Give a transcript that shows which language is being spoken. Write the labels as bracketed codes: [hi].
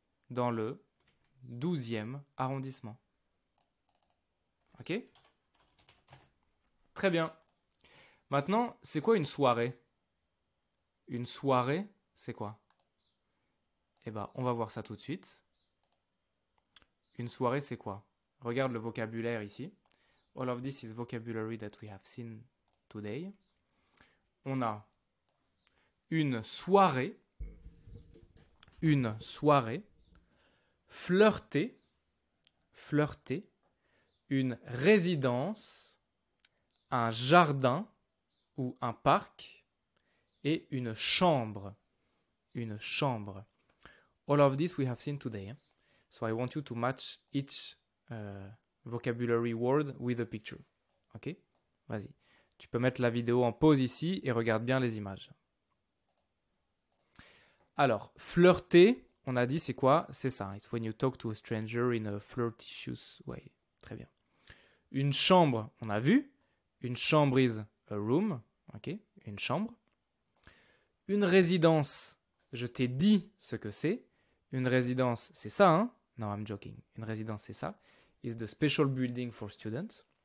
[fr] Dans le 12e arrondissement. Ok? Très bien. Maintenant, c'est quoi une soirée? Une soirée, c'est quoi? Eh bien, on va voir ça tout de suite. Une soirée, c'est quoi? Regarde le vocabulaire ici. [en] All of this is vocabulary that we have seen today. [fr] On a une soirée, flirter, flirter, une résidence. Un jardin ou un parc et une chambre. Une chambre. [en] All of this we have seen today. So I want you to match each vocabulary word with a picture. [fr] Ok? Vas-y. Tu peux mettre la vidéo en pause ici et regarde bien les images. Alors, flirter, on a dit c'est quoi? C'est ça. [en] It's when you talk to a stranger in a flirtatious way. [fr] Très bien. Une chambre, on a vu. Une chambre [en] is a room, ok, [fr] une chambre. Une résidence, je t'ai dit ce que c'est. Une résidence, c'est ça, hein? Non, [en] I'm joking. [fr] Une résidence, c'est ça. [en] Is the special building for students.